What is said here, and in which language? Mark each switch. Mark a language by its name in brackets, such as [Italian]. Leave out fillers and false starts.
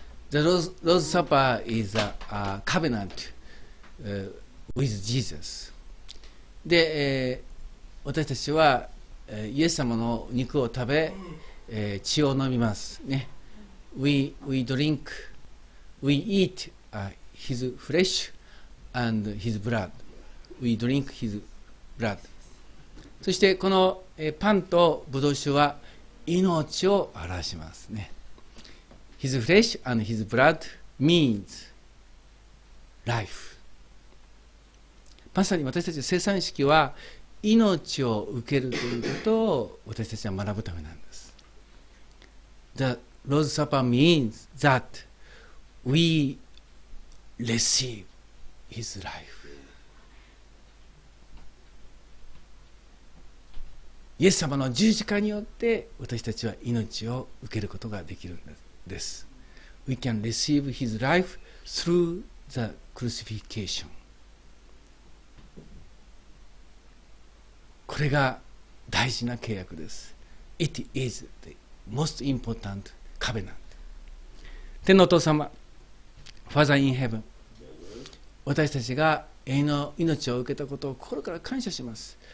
[English] The Lord's Supper is a covenant with Jesus. [Japanese] で、私たちはイエス様の肉を食べ、血を飲みますね。 [English] we drink, we eat his flesh and his blood. We drink his blood. [Japanese] そしてこの、パンとブドウ酒は命を表しますね。 [English] His flesh and his blood means life. [Japanese] まさに私たち聖餐式は命を受けるということを私たちは学ぶためなんです。 [English] The Lord's Supper means that we receive His life. [Japanese] イエス様の十字架によって私たちは命を受けることができるんです。 [English] We can receive His life through the crucifixion. [Japanese] これが大事な契約です。 [English] It is the most important covenant. [Japanese] 天のお父様、 [English] Father in heaven, [Japanese] 私たちが永遠の命を受けたことを心から感謝します。